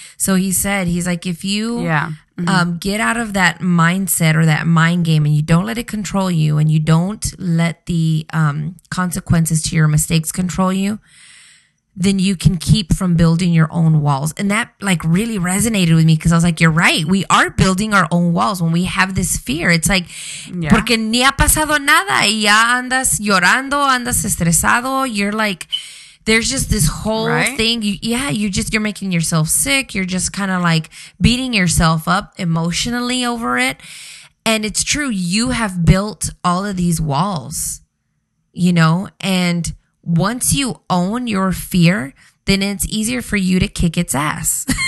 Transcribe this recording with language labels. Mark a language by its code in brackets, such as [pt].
[en] So he said, he's like, if you get out of that mindset or that mind game and you don't let it control you and you don't let the consequences to your mistakes control you, then you can keep from building your own walls. And that like really resonated with me because I was like, you're right. We are building our own walls when we have this fear. It's like, yeah. [es] Porque ni ha pasado nada. Y ya andas llorando, andas estresado. [en] You're like, there's just this whole thing. You're making yourself sick. You're just kind of like beating yourself up emotionally over it. And it's true. You have built all of these walls, you know, and once you own your fear, then it's easier for you to kick its ass.